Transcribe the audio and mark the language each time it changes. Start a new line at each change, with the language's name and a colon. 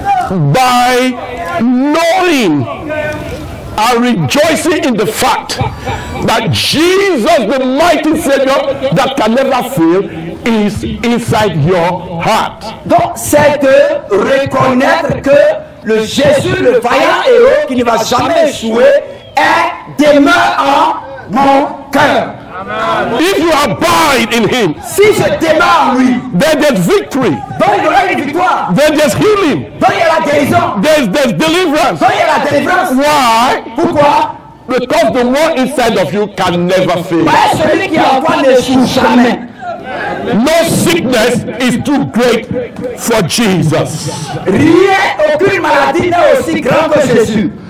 English: By knowing and rejoicing in the fact that Jesus, the mighty Savior that can never fail, is inside your heart.
French: Donc c'est de reconnaître que le Jésus, le vaillant héros qui ne va jamais échouer, est demeure en mon cœur.
English: If you abide in him,
French: si je demeure en lui,
English: then there's victory.
French: Donc il y aura une victoire.
English: Then there's healing.
French: Donc il y a la guérison.
English: There's deliverance.
French: Donc il y a la délivrance.
English: Why?
French: Pourquoi?
English: Because the one inside of you can never fail.
French: Parce que celui qui est en toi n'échoue jamais.
English: No sickness is too great for Jesus.
French: Rien, aucune maladie n'est aussi grande que Jésus.